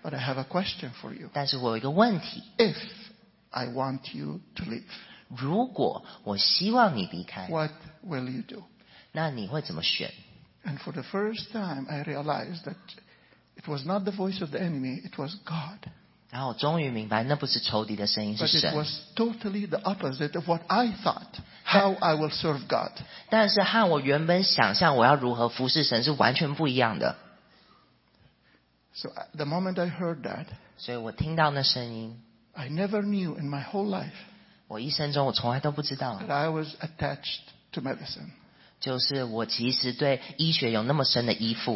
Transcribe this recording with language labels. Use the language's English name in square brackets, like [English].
[English] But I have a question for you. [Chinese] 但是我有一个问题 [English] If I want you to leave. [Chinese] 如果我希望你离开 [English] What will you do? [Chinese] 那你会怎么选 [English] And for the first time, I realized that it was not the voice of the enemy, it was God. [Chinese] 然后我终于明白那不是仇敌的声音是神 [English] But it was totally the opposite of what I thought. How I will serve God. [Chinese] 但是和我原本想象我要如何服侍神是完全不一样的。 [English] So the moment I heard that, [Chinese] 所以我听到那声音 [English] I never knew in my whole life, [Chinese] 我一生中我从来都不知道 [English] that I was attached to medicine. [Chinese] 就是我其实对医学有那么深的依附。